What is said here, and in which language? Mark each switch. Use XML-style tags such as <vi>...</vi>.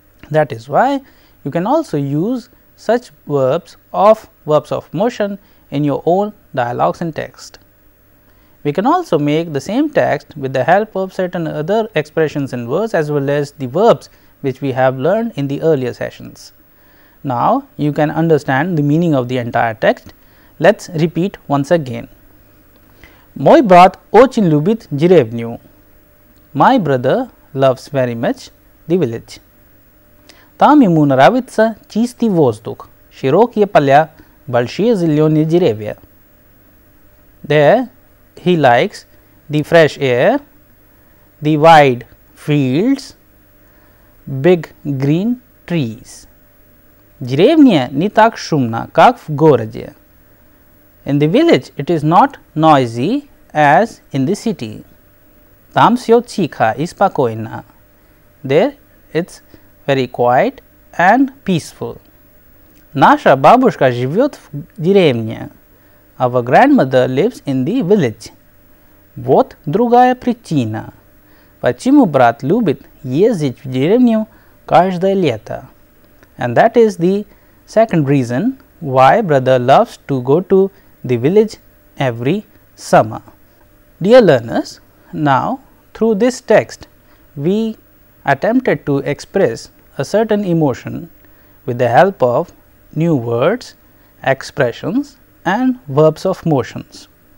<en>That is why you can also use such verbs of motion in your own dialogues and text. We can also make the same text with the help of certain other expressions and words, as well as the verbs which we have learned in the earlier sessions. Now, you can understand the meaning of the entire text. Let's repeat once again.</en> <ru>Мой брат очень любит деревню.</ru> <en>My brother loves very much the village.</en> <ru>Там ему нравится чистый воздух, широкие поля, большие зелёные деревья.</ru> <en>There, he likes the fresh air, the wide fields, big green trees.</en> <ru>Деревня не так шумна, как в городе.</ru> <en>In the village, it is not noisy as in the city.</en> <ru>Там всё тихо и спокойно.</ru> <en>There, it's very quiet and peaceful.</en> <ru>Наша бабушка живёт в деревне.</ru> <en>Our grandmother lives in the village.</en> <ru>Вот другая причина, почему брат любит ездить в деревню каждое лето?</ru> <en>And that is the second reason why brother loves to go to the village every summer. Dear learners, now through this text, we attempted to express a certain emotion with the help of new words, expressions, and verbs of motions.</en>